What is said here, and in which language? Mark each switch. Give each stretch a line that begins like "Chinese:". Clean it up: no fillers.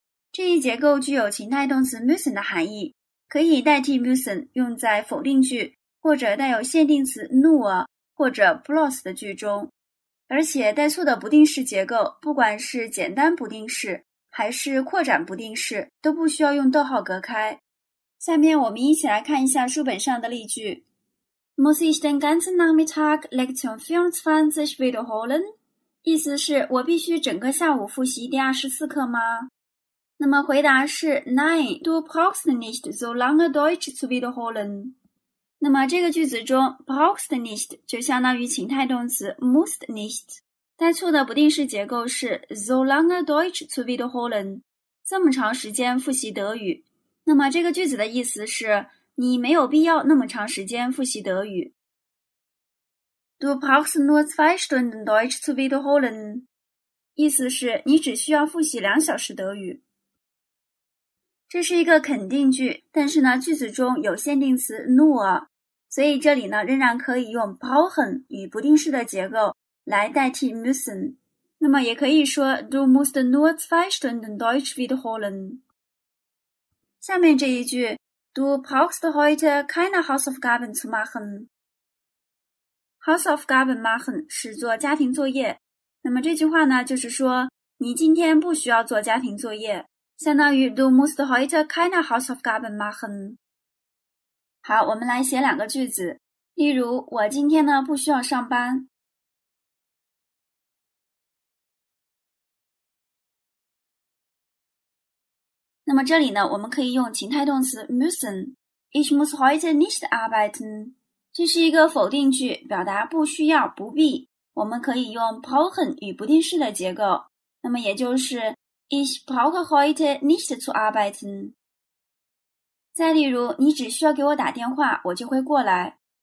Chinese: 这一结构具有情态动词 müssen 的含义，可以代替 müssen 用在否定句或者带有限定词 nur 或者 bloß 的句中。而且带促的不定式结构，不管是简单不定式还是扩展不定式，都不需要用逗号隔开。下面我们一起来看一下书本上的例句。
German: Muss ich den ganzen Nachmittag Lektion 24 wiederholen?
Chinese: 意思是我必须整个下午复习第24课吗？那么回答是 Nein,
German: du brauchst nicht so lange Deutsch zu wiederholen。
Chinese: 那么这个句子中 brauchst nicht 就相当于情态动词 musst nicht， 带促的不定式结构是
German: so lange Deutsch zu wiederholen，
Chinese: 这么长时间复习德语。那么这个句子的意思是你没有必要那么长时间复习德语。
German: Du brauchst nur zwei Stunden Deutsch zu wiederholen，
Chinese: 意思是你只需要复习两小时德语。这是一个肯定句，但是呢句子中有限定词 nur， 所以这里呢仍然可以用 brauchen 与不定式的结构来代替 müssen。那么也可以说
German: du musst nur zwei Stunden Deutsch wiederholen。
Chinese: 下面这一句
German: du brauchst heute keine Hausaufgaben zu machen。
Chinese: Hausaufgaben machen 是做家庭作业，那么这句话呢就是说你今天不需要做家庭作业，相当于
German: Du musst heute keine Hausaufgaben machen。
Chinese: 好，我们来写两个句子。例如我今天呢不需要上班。那么这里呢我们可以用情态动词 müssen。
German: Ich muss heute nicht arbeiten。
Chinese: 这是一个否定句，表达不需要，不必。我们可以用 brauchen 与不定式的结构，那么也就是
German: Ich brauche heute nicht zu arbeiten。
Chinese: 再例如你只需要给我打电话我就会过来。